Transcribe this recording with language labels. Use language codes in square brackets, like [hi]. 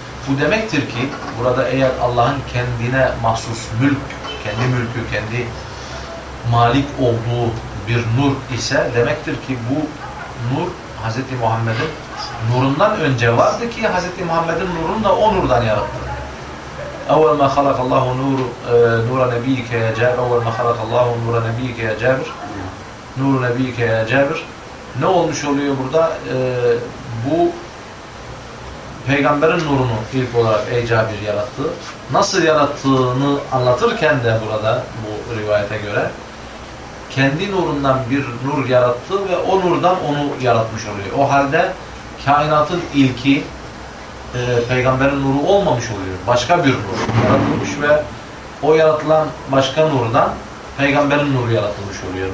[tr] Bu demektir ki burada eğer Allah'ın kendine mahsus mülk, kendi mülkü, kendi malik olduğu bir nur ise demektir ki bu nur Hazreti Muhammed'in nurundan önce vardı ki Hazreti Muhammed'in nurunu da o nurdan yarattı. [ar] اول ما خلق الله نور نور نبيك يا جابر اول ما خلق الله نور نبيك يا جابر نور نبيك يا جابر [tr] ne olmuş oluyor burada bu peygamberin nurunu ilk olarak ey Cabir yarattı. Nasıl yarattığını anlatırken de burada bu rivayete göre kendi nurundan bir nur yarattı ve o nurdan onu yaratmış oluyor. O halde kainatın ilki peygamberin nuru olmamış oluyor. Başka bir nur yaratılmış ve o yaratılan başka nurdan peygamberin nuru yaratılmış oluyor.